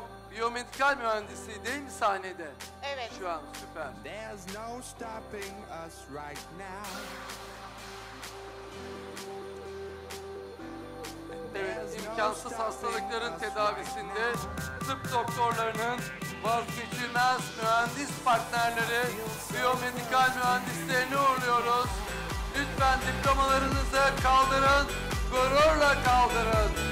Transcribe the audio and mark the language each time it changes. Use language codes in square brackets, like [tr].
[tr] Biyomedikal mühendisliği değil mi sahnede? Evet. Şu an süper. [en] There's no stopping us right now. [tr] Evet, imkansız hastalıkların tedavisinde tıp doktorlarının vazgeçilmez mühendis partnerleri biyomedikal mühendislerini uğurluyoruz. Lütfen diplomalarınızı kaldırın, gururla kaldırın.